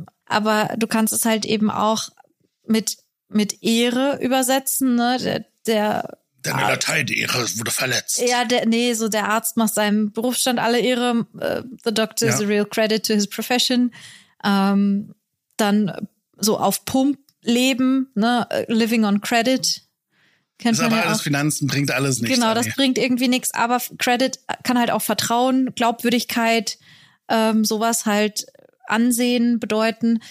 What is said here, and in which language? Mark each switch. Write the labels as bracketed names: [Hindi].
[German] aber du kannst es halt eben auch mit Ehre übersetzen, ne? Deine Latein-Ehre wurde verletzt. Ja, der Arzt macht seinem Berufsstand alle Ehre. [English] The doctor is a real credit to his profession. [German] Dann so auf Pump leben, ne? [English] Living on credit. [German] Das ist aber alles auch. Finanzen, bringt alles nichts. Genau, das bringt irgendwie nichts. Aber Credit kann halt auch Vertrauen, Glaubwürdigkeit, sowas halt Ansehen bedeuten.